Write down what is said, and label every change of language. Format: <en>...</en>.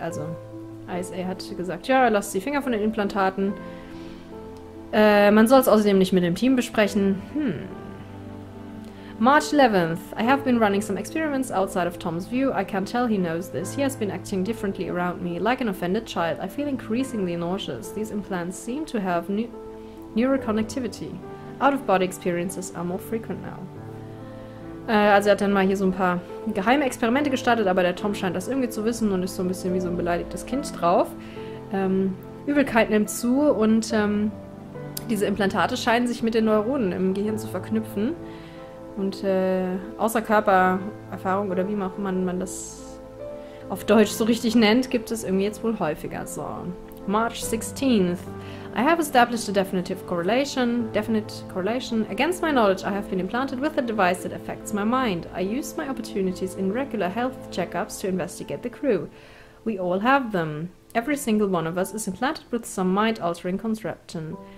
<de>Also, ISA hat gesagt, ja, lass die Finger von den Implantaten. Man soll es außerdem nicht mit dem Team besprechen.</de> <en>March 11th. I have been running some experiments outside of Tom's view. I can tell he knows this. He has been acting differently around me, like an offended child. I feel increasingly nauseous. These implants seem to have neuroconnectivity. Out-of-body experiences are more frequent now.</en> <de>Also er hat dann mal hier so ein paar geheime Experimente gestartet, aber der Tom scheint das irgendwie zu wissen und ist so ein bisschen wie so ein beleidigtes Kind drauf. Übelkeit nimmt zu und diese Implantate scheinen sich mit den Neuronen im Gehirn zu verknüpfen. Und außer Körpererfahrung oder wie auch immer man das auf Deutsch so richtig nennt, gibt es irgendwie jetzt wohl häufiger.</de> <en>So, March 16th. I have established a definite correlation. Against my knowledge, I have been implanted with a device that affects my mind. I use my opportunities in regular health checkups to investigate the crew. We all have them. Every single one of us is implanted with some mind-altering contraption.</en>